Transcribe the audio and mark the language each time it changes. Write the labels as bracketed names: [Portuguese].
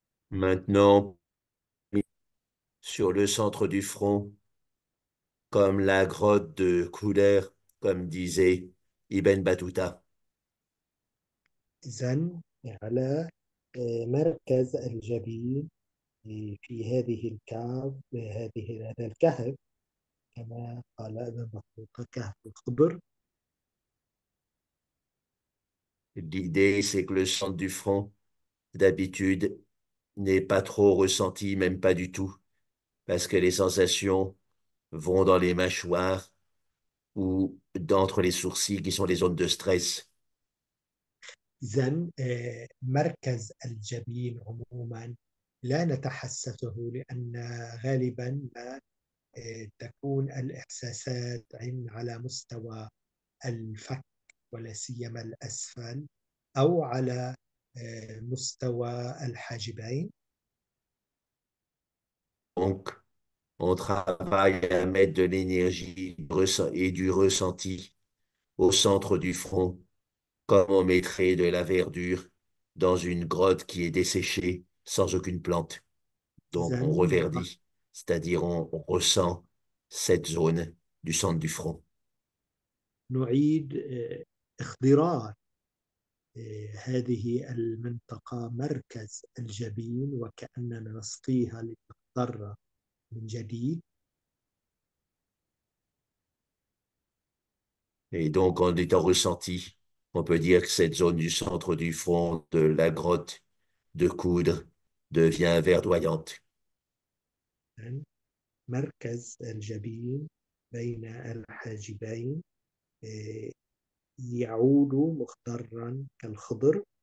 [French] Maintenant, sur le centre du front, comme la grotte de Kouder, comme disait Ibn Battuta. [Arabic] إذن على مركز الجبين في هذه الكهف هذه هذا الكهف كما قال ابن بطوطة كهف الخبر. [French] L'idée, c'est que le centre du front, d'habitude, n'est pas trop ressenti, même pas du tout, parce que les sensations vont dans les mâchoires ou d'entre les sourcils, qui sont les zones de stress. [Arabic] إذن مركز الجبين عموما لا نتحسسه، لأن غالبا ما تكون الإحساسات على مستوى الفك ولا سيما الأسفل أو على مستوى الحاجبين. [French] Donc, on travaille à mettre de l'énergie et du ressenti au centre du front, comme on mettrait de la verdure dans une grotte qui est desséchée sans aucune plante. Donc, on reverdit, c'est-à-dire on ressent cette zone du centre du front. [Arabic] نعيد اخضرار هذه المنطقة مركز الجبين وكأننا نسقيها لتخضر من جديد. [French] Et donc, en étant ressenti, on peut dire que cette zone du centre du front, de la grotte, de coude, devient verdoyante. [Arabic] مركز الجبين بين الحاجبين يعود مخضرا كالخضر.